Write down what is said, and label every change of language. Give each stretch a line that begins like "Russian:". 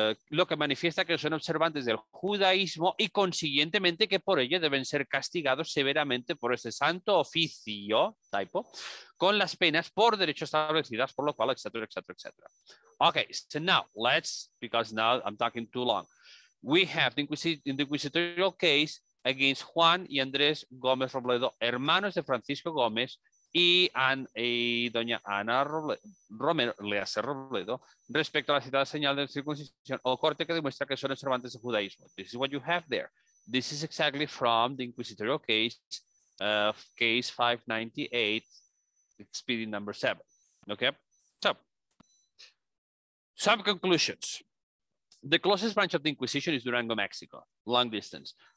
Spanish: Lo que manifiesta que son observantes del judaísmo y consiguientemente que por ello deben ser castigados severamente por ese santo oficio, typo, con las penas por derechos establecidas, por lo cual, etc., etc., etc.
English: Okay, so now let's, because now I'm talking too long. We have the inquisitorial case against Juan y Andrés Gómez Robledo,
Spanish: hermanos de
English: Francisco Gómez,
Spanish: Y doña Ana Romero le hace Robledo respecto a la citada señal de circuncisión o corte que demuestra que son observantes del judaísmo.
English: This is what you have there. This is exactly from the inquisitorial case, case 598, expedient number 7. Okay, so some conclusions. The closest branch of the Inquisition is Durango, Mexico, long distance.